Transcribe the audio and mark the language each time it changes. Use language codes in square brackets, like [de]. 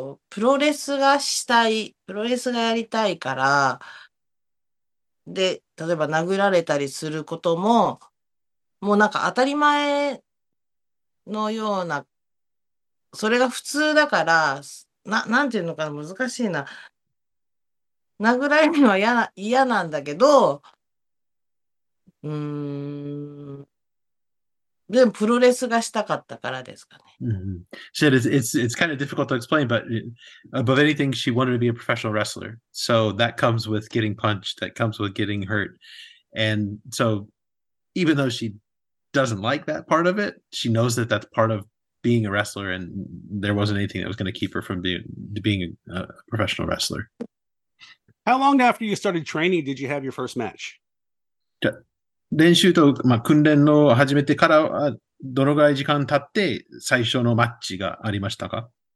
[ja] プロレスがしたい、プロレスがやりたいから、で、例えば殴られたりすることも、もうなんか当たり前のような、それが普通だから、なんていうのかな、難しいな。殴られるのは嫌なんだけど、でもプロレスがしたかったからですかね。 [en] She said it's kind of difficult to explain, but above anything, she wanted to be a professional wrestler. So that comes with getting punched, that comes with getting hurt. And so even though she doesn't like that part of it, she knows that that's part of being a wrestler, and there wasn't anything that was going to keep her from being a professional wrestler. How long after you started training did you have your first match? [ja] 練習と、訓練の始めてからは、どのぐらい時間経って最初のマッチがありましたか？